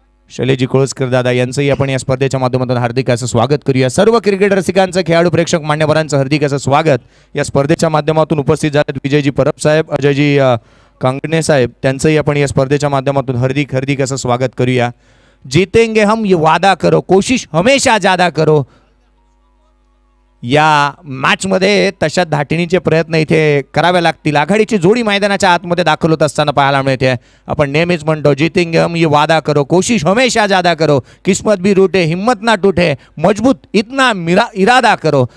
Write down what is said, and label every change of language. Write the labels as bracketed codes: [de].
[mr] शैलेजी कोळसकर दादा यांचंही आपण या स्पर्धेच्या माध्यमातून हार्दिक असं स्वागत करूया. सर्व क्रिकेट रसिकांचं, खेळाडू प्रेक्षक मान्यवरांचं हार्दिक असं स्वागत. या स्पर्धेच्या माध्यमातून उपस्थित झालेत विजयजी परब साहेब, अजयजी कांगणे साहेब, त्यांचंही आपण या स्पर्धेच्या माध्यमातून हार्दिक असं स्वागत करूया. [hi] जीतेंगे हम ये वादा करो, कोशिश हमेशा ज्यादा करो. [mr] या मॅचमध्ये तशा धाटणीचे प्रयत्न इथे करावे लागतील. आघाडीची जोडी मैदानाच्या आतमध्ये दाखल होत असताना पाहायला मिळते. आपण नेहमीच म्हणतो [hi] जीतेंगे हम ये वादा करो, कोशिश हमेशा ज्यादा करो, किस्मत भी रूटे हिम्मत ना टूटे, मजबूत इतना इरादा करो.